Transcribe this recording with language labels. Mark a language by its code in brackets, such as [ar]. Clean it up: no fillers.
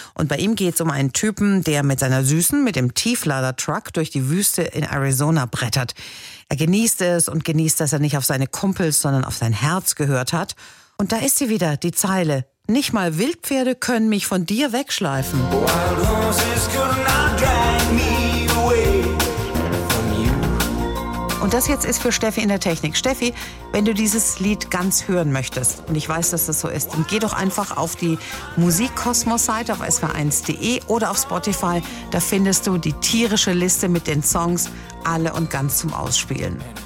[de] Und bei ihm geht's um einen Typen, der mit seiner Süßen, mit dem Tieflader-Truck durch die Wüste in Arizona brettert. Er genießt es und genießt, dass er nicht auf seine Kumpels, sondern auf sein Herz gehört hat. Und da ist sie wieder, die Zeile. Nicht mal Wildpferde können mich von dir wegschleifen. [en] Wild Horses could not drag me. [de] Und das jetzt ist für Steffi in der Technik. Steffi, wenn du dieses Lied ganz hören möchtest, und ich weiß, dass das so ist, dann geh doch einfach auf die Musikkosmos-Seite auf swr1.de oder auf Spotify. Da findest du die tierische Liste mit den Songs, alle und ganz zum Ausspielen.